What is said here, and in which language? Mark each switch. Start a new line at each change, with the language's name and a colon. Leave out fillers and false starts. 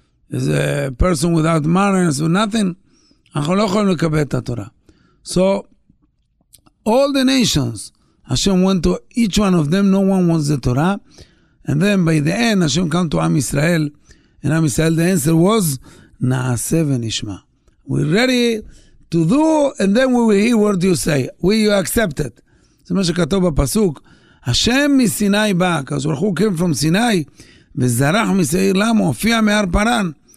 English: It's a person without manners or nothing.
Hebrew: אנחנו לא יכולים לקבל את התורה.
English: So, all the nations, השם went to each one of them, no one wants the Torah. And then by the end, השם came to עם ישראל, and Am Yisrael, the answer was, Na'aseh v'nishma. We're ready to do, and then we will hear what you say. We you accept it.
Hebrew: זה מה שכתוב בפסוק, השם מסיני בא, כאשר הוא
English: came from Sinai,
Hebrew: וזרח מסעיר למו, הופיע מהר פרן.